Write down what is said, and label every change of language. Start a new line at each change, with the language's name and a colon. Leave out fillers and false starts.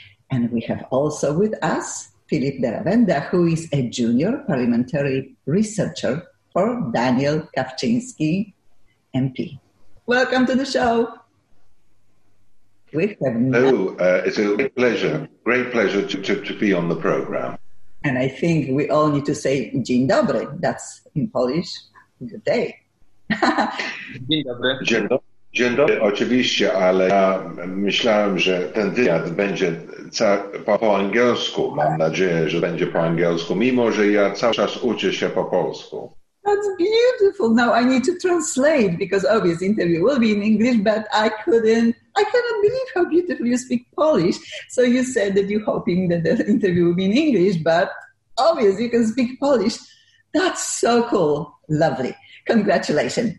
English: And we have also with us Philip Derawenda, who is a junior parliamentary researcher for Daniel Kapczynski, MP. Welcome to the show. We have it's a pleasure, great pleasure to be on the program. And I think we all need to say
Polish: dzień dobry.
English: That's in Polish, good day.
Polish: Dzień dobry. Oczywiście, ale ja myślałem, że ten wywiad będzie po angielsku. Mam nadzieję, że będzie po angielsku, mimo że ja cały czas uczę się po polsku.
English: That's beautiful. Now I need to translate because obviously interview will be in English, but I cannot believe how beautiful you speak Polish. So you said that you're hoping that the interview will be in English, but obviously you can speak Polish. That's so cool. Lovely. Congratulations.